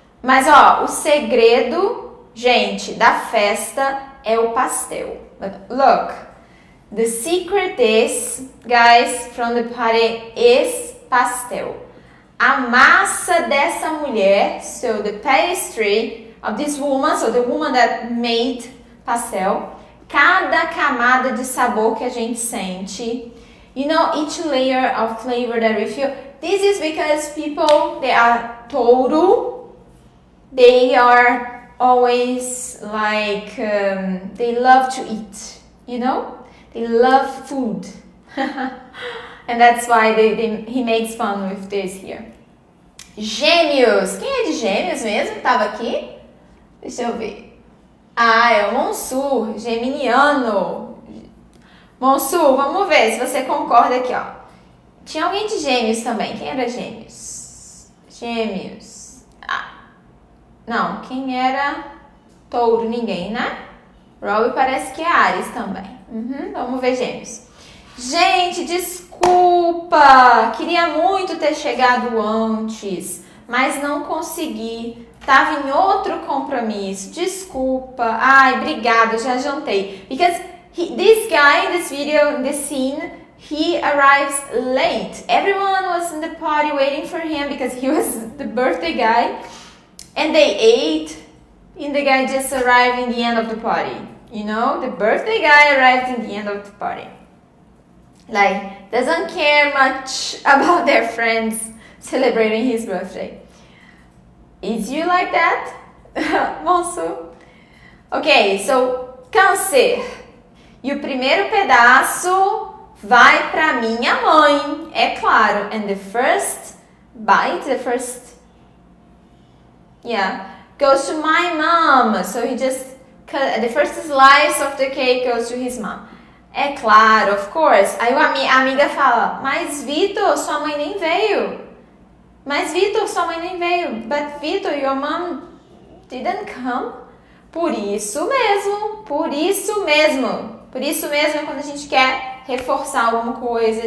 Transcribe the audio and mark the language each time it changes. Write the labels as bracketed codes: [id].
[pt] Mas, ó, o segredo, gente, da festa é o pastel. [en] But look, the secret is, guys, from the party, is pastel. [pt] A massa dessa mulher, [en] so the pastry of this woman, so the woman that made pastel, [pt] cada camada de sabor que a gente sente, [en] you know, each layer of flavor that we feel, this is because people, they are Touro, they are always like, they love to eat, you know, they love food, and that's why he makes fun with this here. [pt] Gêmeos, quem é de Gêmeos mesmo que tava aqui? Deixa eu ver. Ah, é o Monsur, geminiano. Monsur, vamos ver se você concorda aqui, ó. Tinha alguém de Gêmeos também. Quem era Gêmeos? Gêmeos. Ah. Não, quem era Touro? Ninguém, né? Robbie parece que é Áries também. Uhum, vamos ver Gêmeos. Gente, desculpa. Queria muito ter chegado antes, mas não consegui. Tava em outro compromisso. Desculpa. Ai, obrigada. Já jantei. [en] Because this guy in this video, in this scene, he arrives late. Everyone was in the party waiting for him because he was the birthday guy. And they ate. And the guy just arrived in the end of the party. You know? The birthday guy arrived in the end of the party. Like, doesn't care much about their friends celebrating his birthday. Is you like that? Monsu? Okay, so Câncer. [pt] E o primeiro pedaço vai pra minha mãe, é claro. [en] And the first bite, the first, yeah, goes to my mom. So he just cut the first slice of the cake goes to his mom. [pt] É claro, [en] of course. [pt] Aí a minha amiga fala, mas Vitor, sua mãe nem veio. Mas Vitor, sua mãe nem veio. [en] But Vitor, your mom didn't come. [pt] Por isso mesmo. Por isso mesmo. Por isso mesmo é quando a gente quer reforçar alguma coisa.